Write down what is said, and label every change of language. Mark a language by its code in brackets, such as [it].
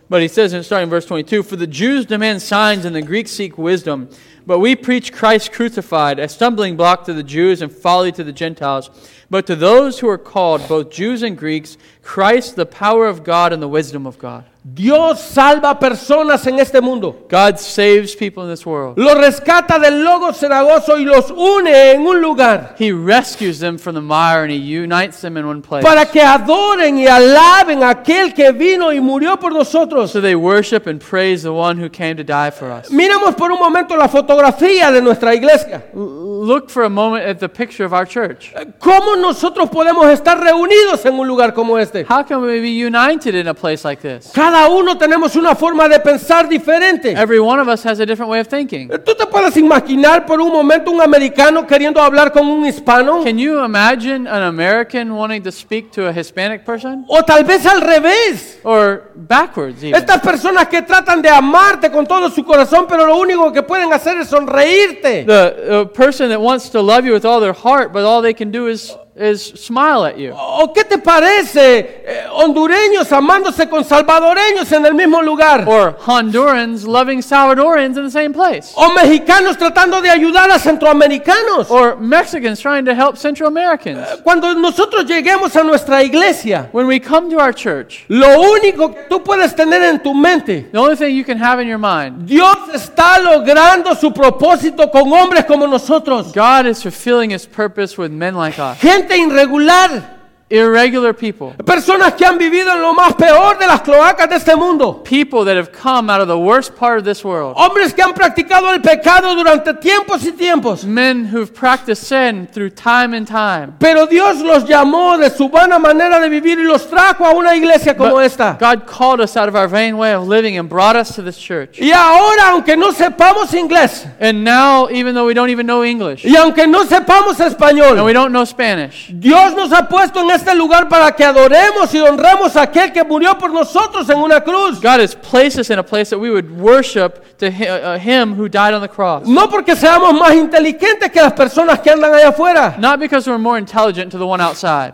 [en] But he says, starting in verse 22, for the Jews demand signs and the Greeks seek wisdom, but we preach Christ crucified, a stumbling block to the Jews and folly to the Gentiles. But to those who are called, both Jews and Greeks, Christ, the power of God and the wisdom of God. [es] Dios salva personas en este mundo. [en] God saves people in this world. [es] Los rescata del lodo cenagoso y los une en un lugar. [en] He rescues them from the mire and he unites them in one place. [es] Para que adoren y alaben a aquel que vino y murió por nosotros. [en] So they worship and praise the one who came to die for us. [es] Miremos por un momento la fotografía de nuestra iglesia. [en] Look for a moment at the picture of our church. [es] ¿Cómo nosotros podemos estar reunidos en un lugar como este? [en] How can we be united in a place like this? [es] Cada uno tenemos una forma de pensar diferente. [en] Every one of us has a different way of thinking. [es] ¿Tú te puedes imaginar por un momento un americano queriendo hablar con un hispano? [en] Can you imagine an American wanting to speak to a Hispanic person? [es] O tal vez al revés. [en] Or backwards even. [es] Estas personas que tratan de amarte con todo su corazón, pero lo único que pueden hacer es sonreírte. [en] The person that wants to love you with all their heart, but all they can do is is smile at you. [es] ¿O qué te parece hondureños amándose con salvadoreños en el mismo lugar? [en] Or Hondurans loving Salvadorians in the same place. [es] ¿O mexicanos tratando de ayudar a centroamericanos? [en] Or Mexicans trying to help Central Americans. [es] Cuando nosotros lleguemos a nuestra iglesia, [en] when we come to our church, [es] lo único que tú puedes tener en tu mente, [en] the only thing you can have in your mind, [es] Dios está logrando su propósito con hombres como nosotros. [en] God is fulfilling his purpose with men like us. [es] Gente irregular. [en] Irregular people. [es] Personas que han vivido en lo más peor de las cloacas de este mundo. [en] People that have come out of the worst part of this world. [es] Hombres que han practicado el pecado durante tiempos y tiempos. [en] Men who've practiced sin through time and time. [es] Pero Dios los llamó de su vana manera de vivir y los trajo a una iglesia como esta. [en] God called us out of our vain way of living and brought us to this church. [es] Y ahora, aunque no sepamos inglés. [en] And now, even though we don't even know English. [es] Y aunque no sepamos español. [en] And we don't know Spanish. [es] Dios nos ha puesto en este lugar para que adoremos y honremos a aquel que murió por nosotros en una cruz. [en] God has placed us in a place that we would worship to him who died on the cross. [es] No porque seamos más inteligentes que las personas que andan allá afuera. [en] Not because we're more intelligent to the one outside.